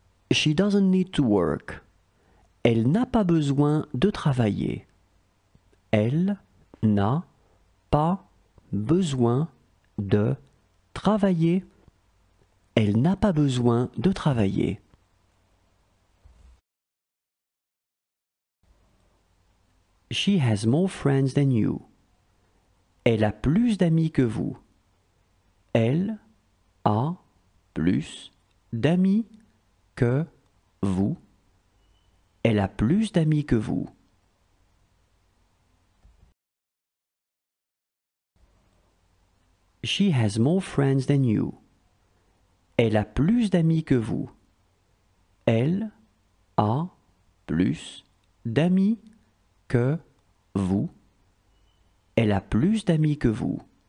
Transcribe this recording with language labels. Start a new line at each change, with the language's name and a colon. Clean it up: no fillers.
English: She doesn't need to work.
French: Elle n'a pas besoin de travailler. Elle n'a pas besoin de travailler. Elle n'a pas besoin de travailler.
English: She has more friends than you.
French: Elle a plus d'amis que vous. Elle a plus d'amis que vous. Elle a plus d'amis que vous.
English: She has more friends than you.
French: Elle a plus d'amis que vous. Elle a plus d'amis que vous. Elle a plus d'amis que vous.